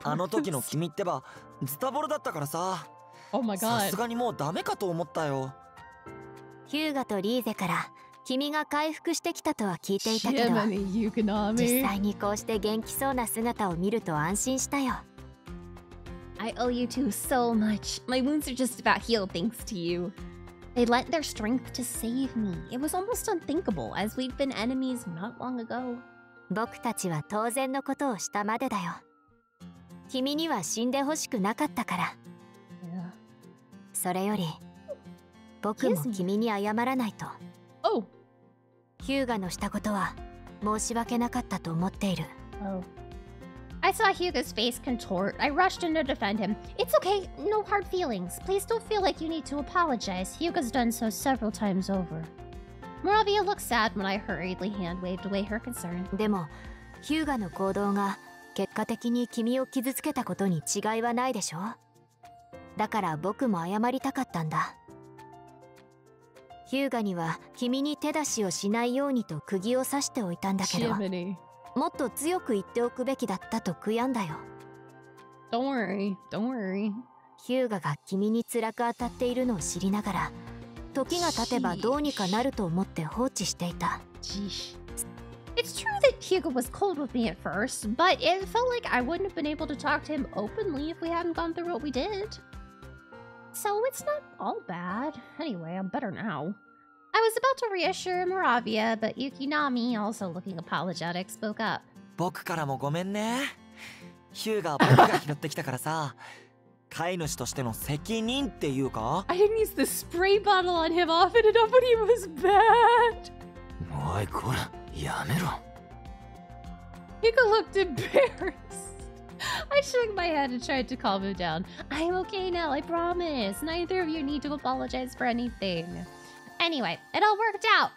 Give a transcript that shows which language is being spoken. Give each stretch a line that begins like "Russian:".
Japanese: あの時の君ってば、ズタボロだったからさ。
English: Oh my god.
Japanese: さすがにもうダメかと思ったよ。ヒューガとリーゼから、君が回復してきたとは聞いていたけど、
English: Yukinami.
Japanese: 実際にこうして元気そうな姿を見ると安心したよ。
English: I owe you two so much. My wounds are just about healed thanks to you. They lent their strength to save me. It was almost unthinkable, as we'd been enemies not long ago.
Japanese: 僕たちは当然のことをしたまでだよ。君には死んでほしくなかったから。 Yeah. それより、僕も君に謝らないと。 Oh! ヒューガのしたことは申し訳なかったと思っている。
English: Oh. I saw Hugo's face contort. I rushed in to defend him. It's okay, no hard feelings. Please don't feel like you need to apologize. Hugo's done so several times over. Murabia looked sad when I hurriedly hand waved away her concern.
Japanese: でも、ヒューガの行動が結果的に君を傷つけたことに違いはないでしょ。だから僕も謝りたかったんだ。ヒューガには君に手出しをしないようにと釘を刺しておいたんだけど、もっと強く言っておくべきだったと悔やんだよ。
English: Don't worry, don't worry。
Japanese: ヒューガが君に辛く当たっているのを知りながら、時が経てばどうにかなると思って放置していた。
English: It's true that Hyuga was cold with me at first, but it felt like I wouldn't have been able to talk to him openly if we hadn't gone through what we did. So it's not all bad. Anyway, I'm better now. I was about to reassure Moravia, but Yukinami, also looking apologetic, spoke up.
Japanese: 僕からもごめんね。Hyuga は僕が拾ってきたからさ。飼い主としての責任っていうか。
English: I didn't use the spray bottle on him often enough when he was bad.
Japanese: おい、こら。やめろ。
English: Hyuga looked embarrassed. I shook my head and tried to calm him down. I'm okay now, I promise. Neither of you need to apologize for anything. Anyway, it all worked out.